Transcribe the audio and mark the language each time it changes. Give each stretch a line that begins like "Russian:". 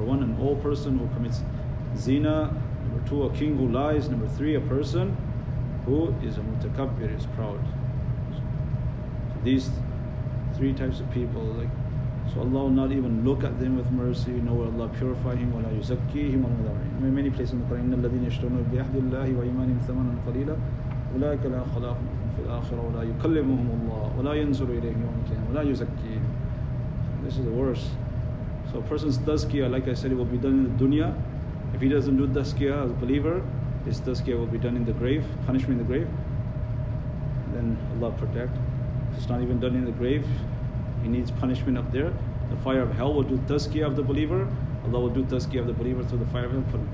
English: Number one, an old person who commits zina. Number two, a king who lies. Number three, a person who is a mutakabbir, is proud. So these three types of people, so Allah will not even look at them with mercy, nor will Allah purify him,
Arabic: وَلَا يُزَكِّيهِمْ وَلَا يُزَكِّيهِمْ.
English: Many places in the Quran,
Arabic: إِنَّ الَّذِينَ يَشْتَرُونَ بِأَحْدِ اللَّهِ وَإِيمَانِهِمْ ثَمَنًا قَلِيلًا أُولَٰئِكَ لَا خَلَاقٌ فِي الْآخِرَةِ وَلَا يُكَلِّمُهُمُ اللَّهُ وَلَا يَنْزُرُ إِلَيْهِمْ يَوْمَ الْقِيَامَةِ وَلَا يُزَكِّيهِمْ.
English: This is the worst. So a person's tazkiyah, like I said, it will be done in the dunya. If he doesn't do tazkiyah as a believer, his tazkiyah will be done in the grave, punishment in the grave. And then Allah protect. If it's not even done in the grave, he needs punishment up there. The fire of hell will do tazkiyah of the believer. Allah will do tazkiyah of the believer through the fire of hell.